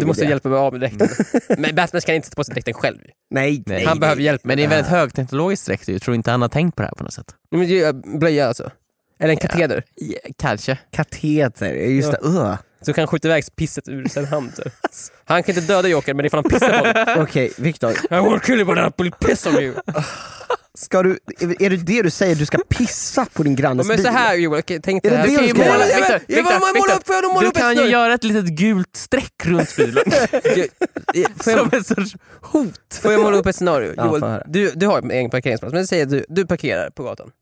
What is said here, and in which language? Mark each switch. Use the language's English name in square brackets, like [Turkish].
[Swedish] Du måste hjälpa mig av med dräkten. Men Batman ska inte sätta på sig dräkten själv. Nej, han nej, behöver nej. Hjälp. Men det är väldigt högteknologiskt dräkt. Jag tror inte han har tänkt på det här på något sätt. Men ju blöja alltså. Eller en kateder. Ja, kanske. Kateder, just det. Så kan han skjuta iväg pisset ur sin hand. Han kan inte döda Joker, men ifall han pissar på okej, Victor. [English] I will kill you, but I will piss on you. [Swedish] ska du, är det du säger, du ska pissa på din grannes bil? Men så här Joel, okay, tänk dig. Du kan ju måla, Victor, du kan ju göra ett litet gult streck runt bilen. Som en sorts hot. Får jag måla upp ett scenario? Joel, ja, du har en egen parkeringsplats, men säger du parkerar på gatan.